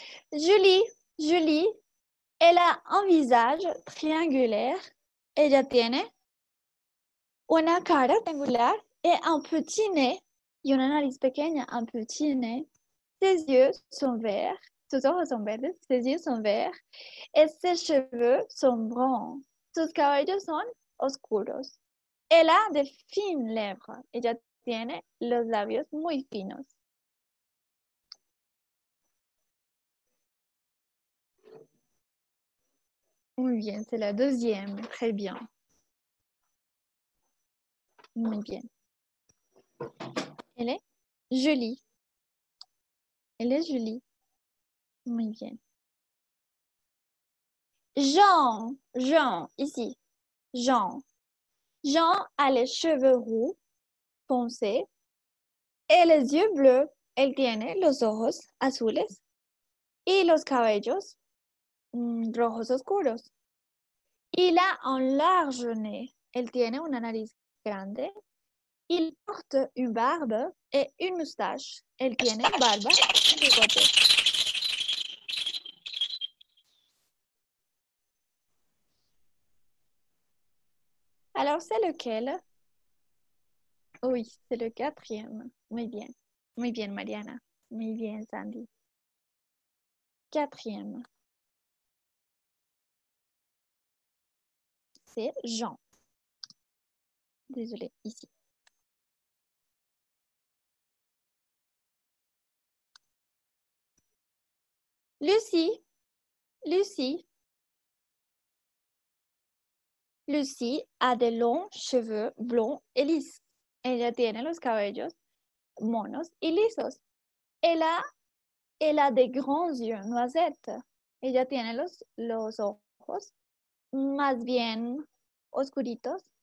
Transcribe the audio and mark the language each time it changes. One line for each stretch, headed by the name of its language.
French: Julie, Julie, elle a un visage triangulaire.
Spanish: Ella tiene una cara triangular y
French: un petit nez.
Spanish: Y una nariz pequeña,
French: un petit nez. Ses yeux sont verts.
Spanish: Sus ojos son verdes.
French: Ses yeux sont verts. Et ses cheveux sont bruns.
Spanish: Sus cabellos son oscuros.
French: Elle a de fines lèvres.
Spanish: Ella tiene los labios muy finos. Muy bien,
French: c'est la deuxième. Très bien.
Spanish: Muy bien.
French: Elle est jolie. Elle est jolie.
Spanish: Muy bien.
French: Jean, Jean, ici, Jean. Jean a les cheveux roux, foncés, et les yeux bleus.
Spanish: Elle tiene los ojos azules y los cabellos rojos oscuros.
French: Il a un large nez.
Spanish: Elle tiene una nariz grande.
French: Il porte une barbe et une moustache.
Spanish: Elle tiene barba y bigote.
French: Alors, c'est lequel? Oui, c'est le quatrième.
Spanish: Muy bien, Mariana. Muy bien, Sandy. Quatrième.
French: C'est Jean. Désolée, ici. Lucie. Lucie. Lucie a de longs cheveux blonds et lisses.
Spanish: Ella tiene los cabellos monos y lisos.
French: Elle a de grands yeux noisettes.
Spanish: Ella tiene los ojos más bien oscuritos.